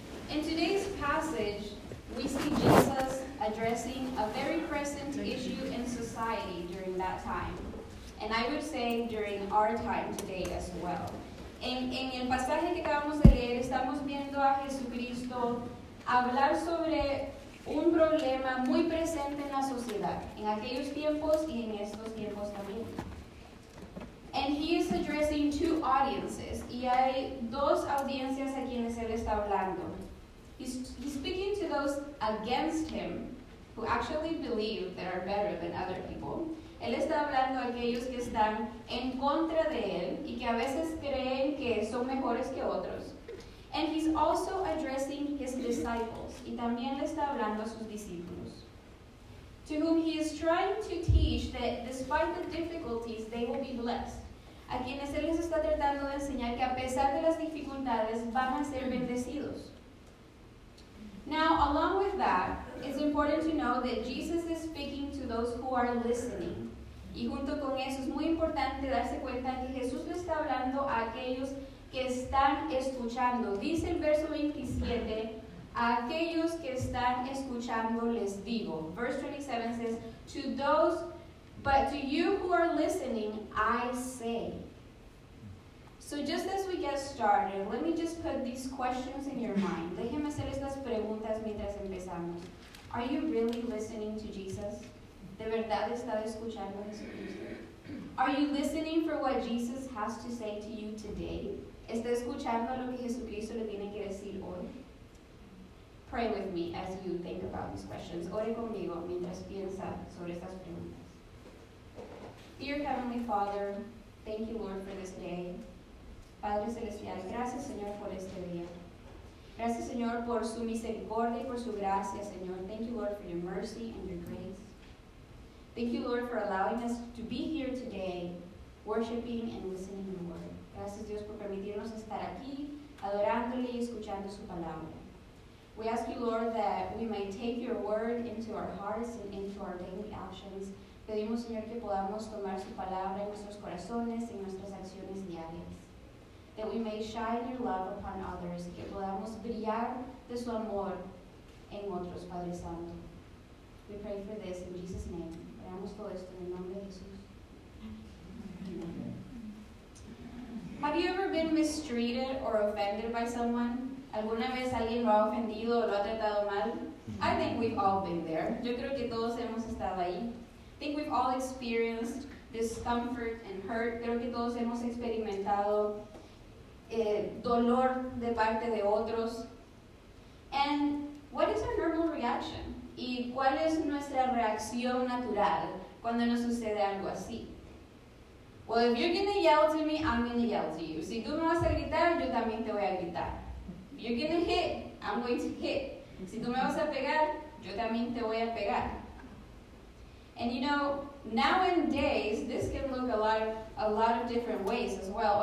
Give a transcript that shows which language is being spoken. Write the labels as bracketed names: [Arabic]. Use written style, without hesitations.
[English] In today's passage, we see Jesus addressing a very present issue in society during that time. And I would say during our time today as well. [Spanish] En el pasaje que acabamos de leer, estamos viendo a Jesucristo hablar sobre un problema muy presente en la sociedad, en aquellos tiempos y en estos tiempos también. [English] And he is addressing two audiences. [Spanish] Y hay dos audiencias a quienes él está hablando. [English] He's speaking to those against him who actually believe they are better than other people. [Spanish] Él está hablando a aquellos que están en contra de él y que a veces creen que son mejores que otros. [English] And he's also addressing his disciples. [Spanish] Y también le está hablando a sus discípulos. [English] To whom he is trying to teach that despite the difficulties, they will be blessed. [Spanish] A quienes él les está tratando de enseñar que a pesar de las dificultades, van a ser bendecidos. [English] Now, along with that, it's important to know that Jesus is speaking to those who are listening. [Spanish] Y junto con eso, es muy importante darse cuenta que Jesús le está hablando a aquellos que están escuchando. Dice el verso 27, a aquellos que están escuchando les digo. [English] Verse 27 says, to those, but to you who are listening, I say. So just as we get started, let me just put these questions in your mind. [Spanish] Déjeme hacer estas preguntas mientras empezamos. [English] Are you really listening to Jesus? [Spanish] ¿De verdad está escuchando a Jesucristo? [English] Are you listening for what Jesus has to say to you today? [Spanish] ¿Está escuchando lo que Jesucristo le tiene que decir hoy? [English] Pray with me as you think about these questions. [Spanish] Ore conmigo mientras piensa sobre estas preguntas. [English] Dear Heavenly Father, thank you, Lord, for this day. [Spanish] Padre Celestial, gracias, Señor, por este día. Gracias, Señor, por su misericordia y por su gracia, Señor. [English] Thank you, Lord, for your mercy and your grace. Thank you, Lord, for allowing us to be here today, worshiping and listening to your word. [Spanish] Gracias, Dios, por permitirnos estar aquí, adorándole y escuchando su palabra. [English] We ask you, Lord, that we may take your word into our hearts and into our daily actions. [Spanish] Pedimos, Señor, que podamos tomar su palabra en nuestros corazones y en nuestras acciones diarias. [English] That we may shine your love upon others, [Spanish] que podamos brillar de su amor en otros, Padre Santo. [English] We pray for this in Jesus' name. [Spanish] Oramos todo esto en el nombre de Jesús. [English] Amen. Have you ever been mistreated or offended by someone? [Spanish] ¿Alguna vez alguien lo ha ofendido o lo ha tratado mal? [English] I think we've all been there. [Spanish] Yo creo que todos hemos estado ahí. [English] I think we've all experienced discomfort and hurt. [Spanish] Creo que todos hemos experimentado dolor de parte de otros. [English] And what is our normal reaction? [Spanish] ¿Y cuál es nuestra reacción natural cuando nos sucede algo así? [English] Well, if you're gonna yell to me, I'm gonna yell to you. [Spanish] Si tú me vas a gritar, yo también te voy a gritar. [English] If you're gonna hit, I'm going to hit. [Spanish] Si tú me vas a pegar, yo también te voy a pegar. [English] And you know, nowadays, this can look a lot of different ways as well.